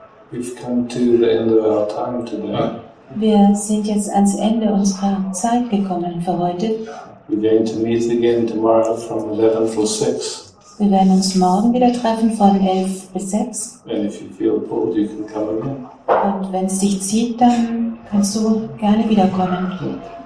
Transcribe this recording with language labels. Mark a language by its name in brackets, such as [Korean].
[English] We've come to the end of our time today. [German] Wir sind jetzt ans Ende unserer Zeit gekommen für heute. [English] We're going to meet again tomorrow from 11 till 6. [German] Wir werden uns morgen wieder treffen von 11 bis 6. [English] And if you feel bored, you can come again. [German] Und wenn es dich zieht, dann kannst du gerne wiederkommen.